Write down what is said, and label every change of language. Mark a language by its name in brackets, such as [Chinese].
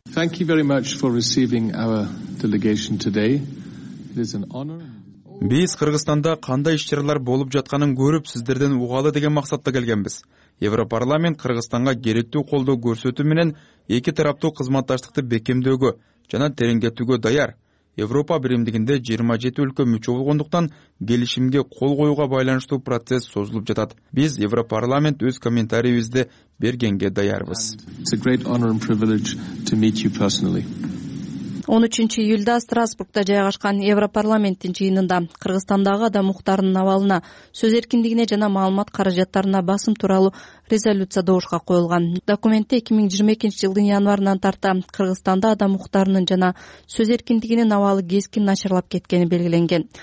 [English] Thank you very much for receiving our delegation today. [Kyrgyz] Биз Кыргызстанда кандай иш-чаралар болуп жатканын көрүп, сиздерден угалы деген максатта келгенбиз. Европарламент Кыргызстанга керектүү колдоо көрсөтүү менен эки тараптуу кызматташтыкты бекемдөөгө жана тереңдетүүгө даяр. Европа биримдигинде 27 өлкө мүчө болгондуктан келишимге кол коюуга байланыштуу процесс созулуп жатат. Биз Европарламент өз комментарийибизди бергенге даярбыз. [English] It's a great honor and privilege to meet you personally. [Kyrgyz] 13 июлда Страсбургда жайгашкан Европарламенттин жыйынында Кыргызстандагы адам укуктарынын абалына, сөз эркиндигине жана маалымат каражаттарына басым тууралуу резолюция добушка коюлган. Документте 2022 жылдын январынан тарта Кыргызстанда адам укуктарынын жана сөз эркиндигинин абалы кескин начарлап кеткени белгиленген.